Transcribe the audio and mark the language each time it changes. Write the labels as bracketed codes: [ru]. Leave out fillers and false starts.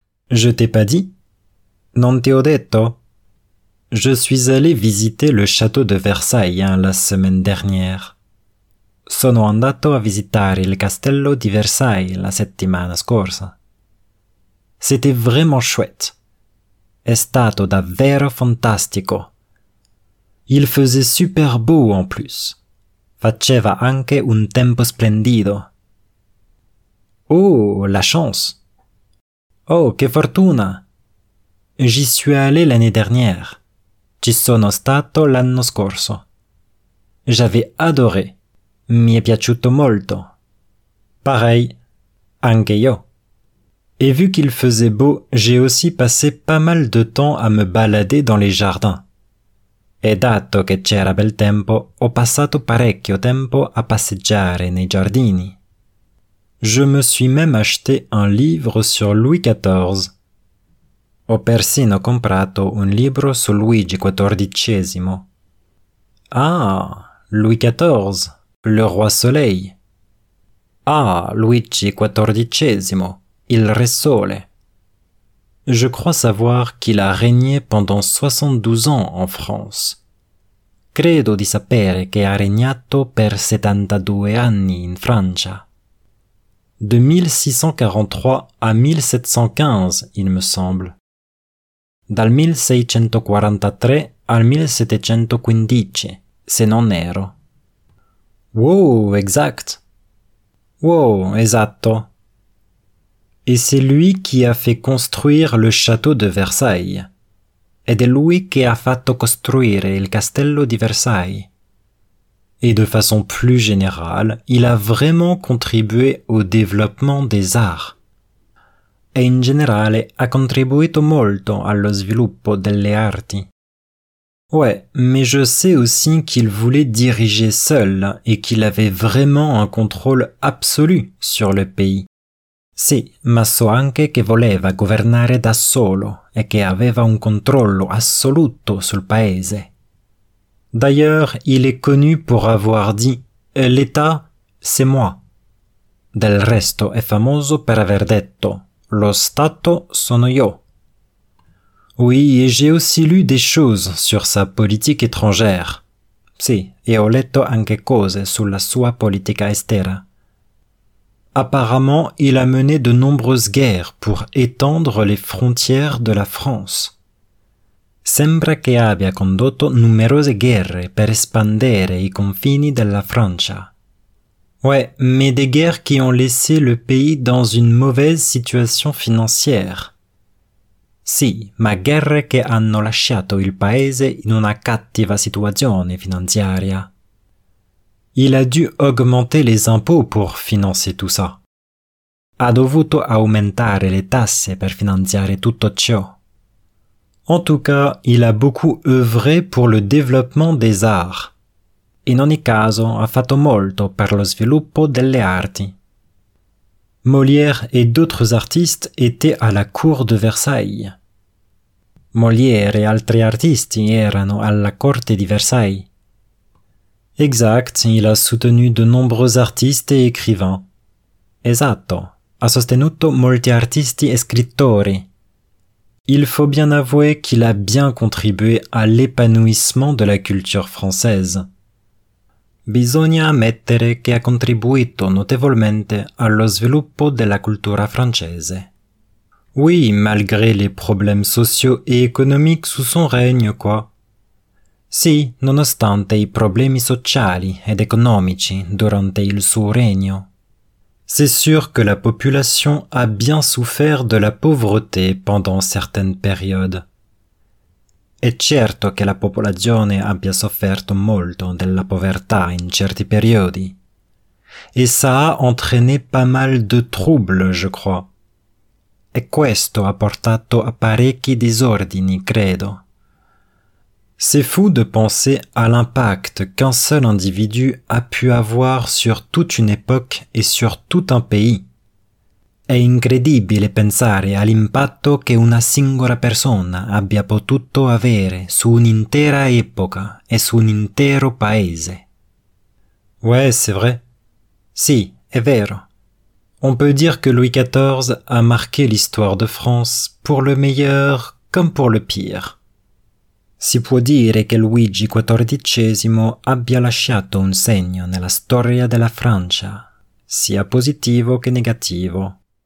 [fr] Je t'ai pas dit ? [it] Non te ho detto. [fr] Je suis allé visiter le château de Versailles la semaine dernière. [it] Sono andato a visitare il castello di Versailles la settimana scorsa. [fr] C'était vraiment chouette. [it] È stato davvero fantastico. [fr] Il faisait super beau en plus. [it] Faceva anche un tempo splendido. [fr] Oh, la chance! [it] Oh, che fortuna! [fr] J'y suis allé l'année dernière. [it] Ci sono stato l'anno scorso. [fr] J'avais adoré. [it] Mi è piaciuto molto. [fr] Pareil, [it] anche io. [fr] Et vu qu'il faisait beau, j'ai aussi passé pas mal de temps à me balader dans les jardins. [it] E dato che c'era bel tempo, ho passato parecchio tempo a passeggiare nei giardini. [fr] Je me suis même acheté un livre sur Louis XIV. [it] Ho persino comprato un libro su Luigi XIV. [fr] Ah, Louis XIV. Le Roi Soleil. [it] Ah, Luigi XIV, il Re Sole. [fr] Je crois savoir qu'il a régné pendant 72 ans en France. [it] Credo di sapere che ha regnato per 72 anni in Francia. [fr] De 1643 à 1715, il me semble. [it] Dal 1643 al 1715, se non erro. [fr] Wow, exact. [it] Wow, esatto. [fr] Et c'est lui qui a fait construire le château de Versailles. [it] Ed è lui che ha fatto costruire il castello di Versailles. [fr] Et de façon plus générale, il a vraiment contribué au développement des arts. [it] E in generale ha contribuito molto allo sviluppo delle arti. [fr] Ouais, mais je sais aussi qu'il voulait diriger seul et qu'il avait vraiment un contrôle absolu sur le pays. [it] Sì, ma so anche che voleva governare da solo e che aveva un controllo assoluto sul paese. [fr] D'ailleurs, il est connu pour avoir dit L'État, c'est moi. [it] Del resto è famoso per aver detto lo Stato sono io. [fr] Oui, et j'ai aussi lu des choses sur sa politique étrangère. [it] Sì, e ho letto anche cose sulla sua politica estera. [fr] Apparemment, il a mené de nombreuses guerres pour étendre les frontières de la France. [it] Sembra che abbia condotto numerose guerre per espandere i confini della Francia. [fr] Ouais, mais des guerres qui ont laissé le pays dans une mauvaise situation financière. [it] Sì, ma guerre che hanno lasciato il paese in una cattiva situazione finanziaria. [fr] Il a dû augmenter les impôts pour financer tout ça. [it] Ha dovuto aumentare le tasse per finanziare tutto ciò. [fr] En tout cas, il a beaucoup œuvré pour le développement des arts. [it] In ogni caso, ha fatto molto per lo sviluppo delle arti. [fr] Molière et d'autres artistes étaient à la cour de Versailles. [it] Molière et altri artisti erano alla corte di Versailles. [fr] Exact, il a soutenu de nombreux artistes et écrivains. [it] Esatto, ha sostenuto molti artisti e scrittori. [fr] Il faut bien avouer qu'il a bien contribué à l'épanouissement de la culture française. [it] Bisogna ammettere che ha contribuito notevolmente allo sviluppo della cultura francese. [fr] Oui, malgré les problèmes sociaux et économiques sous son règne, quoi. [it] Sì, nonostante i problemi sociali ed economici durante il suo regno. [fr] C'est sûr que la population a bien souffert de la pauvreté pendant certaines périodes. [it] È certo che la popolazione abbia sofferto molto della povertà in certi periodi. [fr] E ça a entraîné pas mal de troubles, je crois. [it] E questo ha portato a parecchi disordini, credo. [fr] C'est fou de penser à l'impact qu'un seul individu a pu avoir sur toute une époque et sur tout un pays. [it] È incredibile pensare all'impatto che una singola persona abbia potuto avere su un'intera epoca e su un intero paese. [fr] Ouais, c'est vrai. [it] Sì, è vero. [fr] On peut dire que Louis XIV a marqué l'histoire de France pour le meilleur comme pour le pire. [it] Si può dire che Luigi XIV abbia lasciato un segno nella storia della Francia, sia positivo che negativo.